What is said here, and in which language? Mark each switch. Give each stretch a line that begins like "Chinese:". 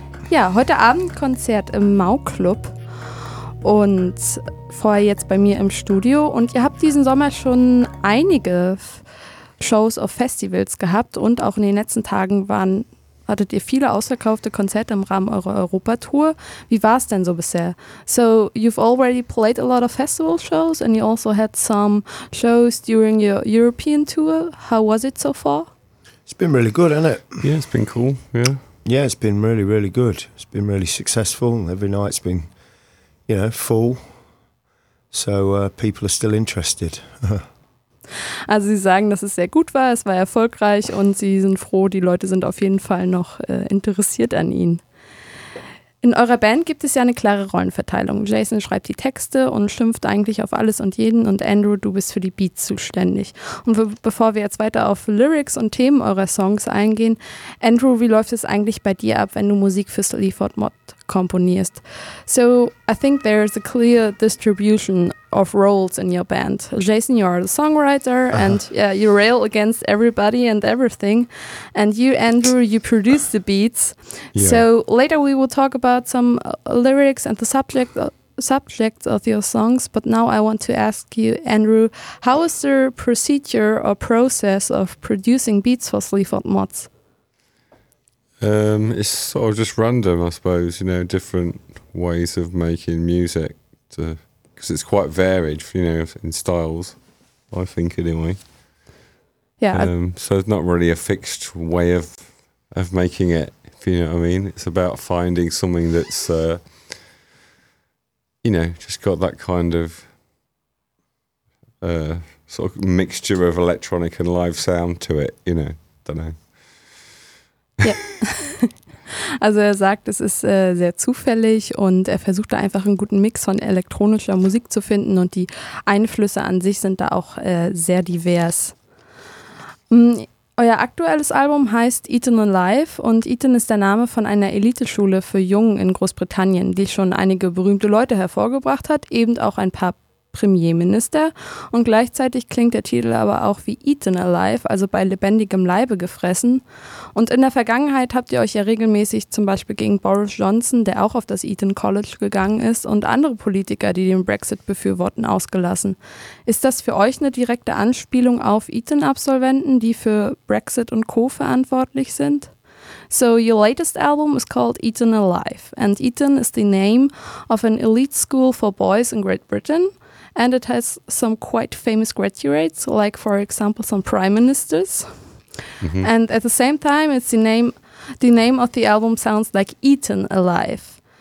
German: Ja, heute Abend Konzert im Mau Club und vorher jetzt bei mir im Studio. Und ihr habt diesen Sommer schon einige Shows auf Festivals gehabt und auch in den letzten Tagen hattet ihr viele ausverkaufte Konzerte im Rahmen eurer Europa-Tour. Wie war es denn so bisher?
English: So, you've already played a lot of festival shows and you also had some shows during your European tour. How was it so far? It's been really good, hasn't it? Yeah, it's been cool, yeah. Yeah, it's been really, really good. It's been really successful. Every night's been, you know, full. So, people are still interested.
German: Also sie sagen, dass es sehr gut war, es war erfolgreich und sie sind froh, die Leute sind auf jeden Fall noch interessiert an ihnen. In eurer Band gibt es ja eine klare Rollenverteilung. Jason schreibt die Texte und schimpft eigentlich auf alles und jeden und Andrew, du bist für die Beats zuständig. Und bevor wir jetzt weiter auf Lyrics und Themen eurer Songs eingehen, Andrew, wie läuft es eigentlich bei dir ab, wenn du Musik für Sleaford Mod komponierst?
English: So, I think there is a clear distribution of roles in your band. Jason, you are the songwriter and yeah, you rail against everybody and everything. And you, Andrew, you produce the beats. Yeah. So later we will talk about some lyrics and the subject of your songs. But now I want to ask you, Andrew, how is the procedure or process of producing beats for Sleaford Mods? It's sort of just random, I suppose, you know, different ways of making music to... Because it's quite varied, you know, in styles, I think, anyway. Yeah. So it's not really a fixed way of making it, if you know what I mean. It's about finding something that's, you know, just got that kind of sort of mixture of electronic and live sound to it, you know. Don't know. Yeah.
German: Also er sagt, es ist sehr zufällig und er versucht da einfach einen guten Mix von elektronischer Musik zu finden und die Einflüsse an sich sind da auch sehr divers. Euer aktuelles Album heißt Eton Alive und Eton ist der Name von einer Eliteschule für Jungen in Großbritannien, die schon einige berühmte Leute hervorgebracht hat, eben auch ein paar Premierminister. Und gleichzeitig klingt der Titel aber auch wie Eaten Alive, also bei lebendigem Leibe gefressen. Und in der Vergangenheit habt ihr euch ja regelmäßig zum Beispiel gegen Boris Johnson, der auch auf das Eton College gegangen ist, und andere Politiker, die den Brexit befürworten, ausgelassen. Ist das für euch eine direkte Anspielung auf Eton-Absolventen, die für Brexit und Co. verantwortlich sind?
English: So your latest album is called Eaten Alive and Eton is the name of an elite school for boys in Great Britain. And it has some quite famous graduates, like, for example, some prime ministers. Mm-hmm. And at the same time, it's the name of the album sounds like Eaten Alive.